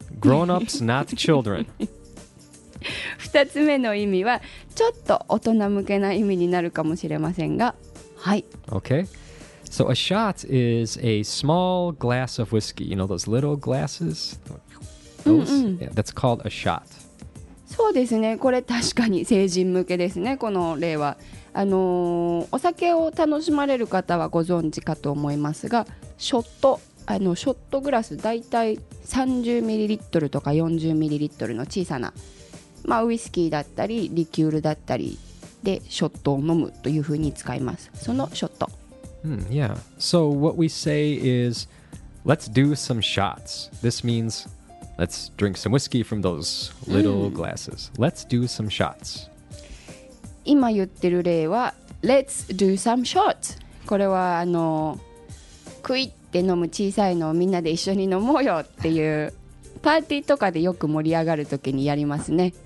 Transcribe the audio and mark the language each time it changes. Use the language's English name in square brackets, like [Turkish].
[English] Grown-ups, not children. [Japanese] 二つ目の意味はちょっと大人向けな意味になるかもしれませんが、はい。 [English] Okay. So a shot is a small glass of whiskey. You know those little glassesYeah, that's called a shot. [Japanese] そうですね、これ確かに成人向けですね、この例は。お酒を楽しまれる方はご存知かと思いますが、ショット、ショットグラス、だいたい 30ml とか 40ml の小さな、まあ、ウイスキーだったりリキュールだったりでショットを飲むというふうに使います、そのショット。 [English] Yeah, so what we say is let's do some shots. This meansLet's drink some whiskey from those little glasses. Let's do some shots. [Japanese] 今言ってる例は [English] Let's do some shots. [Japanese] これはクイって飲む小さいのをみんなで一緒に飲もうよっていうパーティーとかでよく盛り上がるときにやりますね。